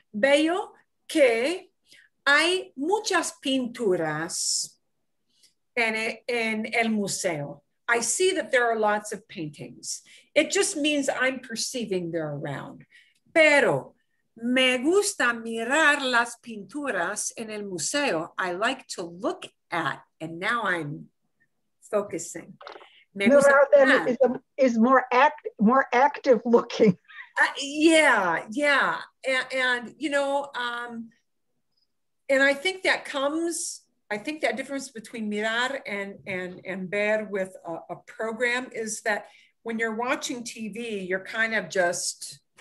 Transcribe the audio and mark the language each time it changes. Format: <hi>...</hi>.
<es>Veo que hay muchas pinturas en el museo.</es> <en>I see that there are lots of paintings. It just means I'm perceiving they're around.</en> <es>Pero me gusta mirar las pinturas en el museo.</es> <en>I like to look at, and now I'm focusing.</en> <es>Me gusta mirar</es> <en>them is more active looking. And you know, and I think that comes, I think that difference between mirar and ver with a program is that when you're watching TV, you're kind of just,</en>